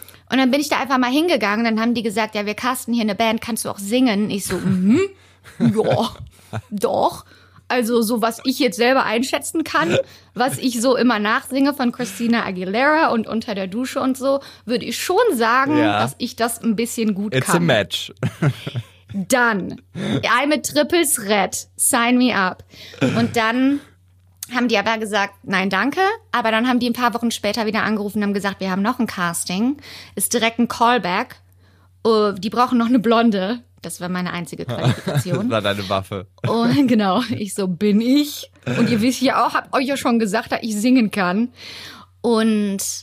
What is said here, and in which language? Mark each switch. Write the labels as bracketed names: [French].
[German] Und dann bin ich da einfach mal hingegangen. Dann haben die gesagt, ja, wir casten hier eine Band, kannst du auch singen? Ich so, ja. Doch, also so was ich jetzt selber einschätzen kann, was ich so immer nachsinge von Christina Aguilera und Unter der Dusche und so, würde ich schon sagen, dass ich das ein bisschen gut [English] It's [German] kann. [English] It's a match. Dann, I'm a triple threat, sign me up. [German] Und dann haben die aber gesagt, nein, danke. Aber dann haben die ein paar Wochen später wieder angerufen und haben gesagt, wir haben noch ein Casting. Ist direkt ein Callback. Die brauchen noch eine Blonde. Das war meine einzige Qualifikation. Das war deine Waffe. Und genau, ich so, bin ich. Und ihr wisst ja auch, hab euch ja schon gesagt, dass ich singen kann. Und